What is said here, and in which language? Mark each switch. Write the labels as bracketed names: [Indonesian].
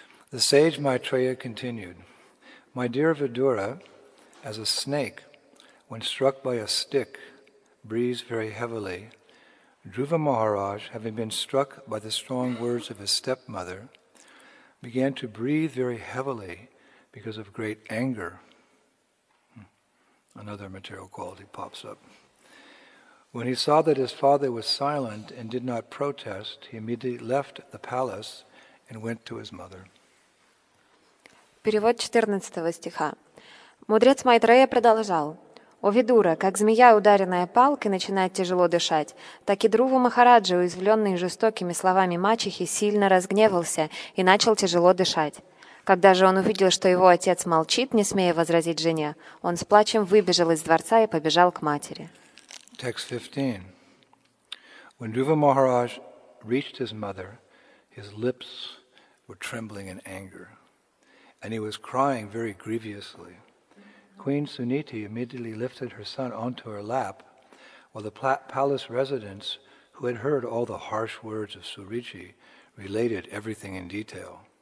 [English] The sage Maitreya continued, My dear Vidura, as a snake, when struck by a stick, breathes very heavily, Dhruva Maharaj, having been struck by the strong words of his stepmother, began to breathe very heavily because of great anger. Another material quality pops up. When he saw that his father was silent and did not protest, he immediately left the palace and went to his mother. [Russian] Перевод 14 стиха. Мудрец Майтрея продолжал. О, Видура, как змея, ударенная палкой, начинает тяжело дышать, так и Друва Махараджа, уязвленный жестокими словами мачехи, сильно разгневался и начал тяжело дышать. Когда же он увидел, что его отец молчит, не смея возразить жене, он с плачем выбежал из дворца и побежал к матери. [English] Text 15. When Druva Maharaj reached his mother, his lips were trembling in anger, and he was crying very grievously. Queen Suniti immediately lifted her son onto her lap, while the palace residents, who had heard all the harsh words of Surichi, related everything in detail.